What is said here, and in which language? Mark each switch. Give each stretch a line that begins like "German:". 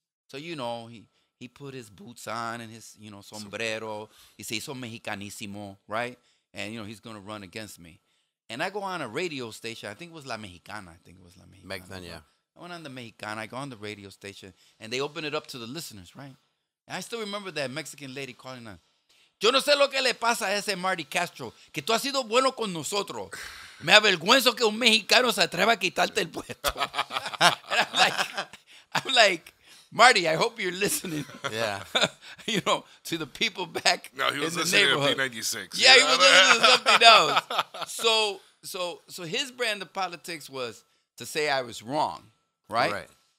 English: So, you know, he put his boots on and his, you know, sombrero. He says,
Spanish: "Soy Mexicanísimo,"
English: right? And, you know, he's going to run against me. And I go on a radio station. I think it was La Mexicana. Back then, yeah. I went on the Mexicana. I go on the radio station. And they open it up to the listeners, right? And I still remember that Mexican lady calling on.
Spanish: Yo no sé lo que le pasa a ese Marty Castro, que tú has sido bueno con nosotros. Me avergüenzo que un mexicano se atreva a quitarte el puesto.
English: And I'm like, Marty, I hope you're listening. Yeah. You know, to the people back in the neighborhood. No, he was listening to P96. Yeah, he was listening to something else. So his brand of politics was to say I was wrong, right? Right.